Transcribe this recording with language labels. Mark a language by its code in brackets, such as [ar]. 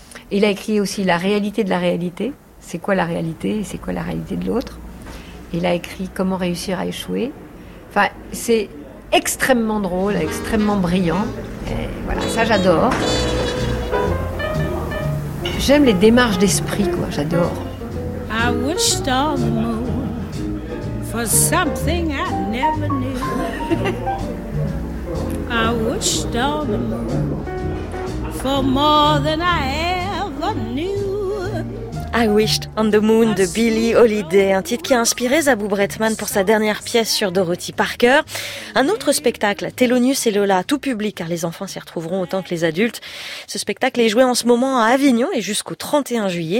[fr] Il a écrit aussi « La réalité de la réalité ». C'est quoi la réalité et c'est quoi la réalité de l'autre? Il a écrit « Comment réussir à échouer ». Enfin, c'est extrêmement drôle, extrêmement brillant. Et voilà, ça j'adore. J'aime les démarches d'esprit, quoi, j'adore. [en] I wished on the moon for something I never knew. I wished on the moon for more than I ever knew. [fr] I Wished on the Moon de Billie Holiday, un titre qui a inspiré Zabou Breitman pour sa dernière pièce sur Dorothy Parker. Un autre spectacle, Thélonius et Lola, tout public car les enfants s'y retrouveront autant que les adultes. Ce spectacle est joué en ce moment à Avignon et jusqu'au 31 juillet.